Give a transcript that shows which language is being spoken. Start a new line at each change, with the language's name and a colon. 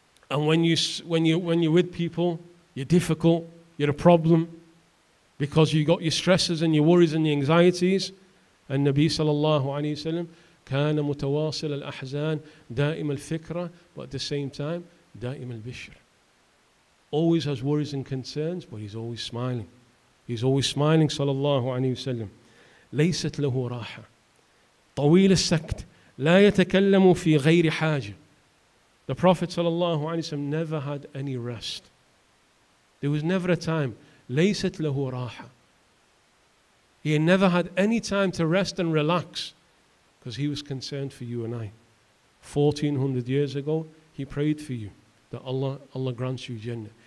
English: And when you're with people, you're difficult, you're a problem, because you got your stresses and your worries and your anxieties. And Nabi sallallahu alayhi wa sallam,
Arabic: كان متواصل الأحزان دائم الفكرة,
English: but at the same time,
Arabic: دائم البشر.
English: Always has worries and concerns, but he's always smiling. He's always smiling, sallallahu alayhi wa sallam.
Arabic: ليست له راحة طويل السكت لا يتكلم في غير حاجة.
English: The Prophet sallallahu alayhi wa sallam never had any rest. There was never a time.
Arabic: ليست له راحة.
English: He had never had any time to rest and relax, because he was concerned for you and I. 1400 years ago, he prayed for you, that Allah grants you Jannah.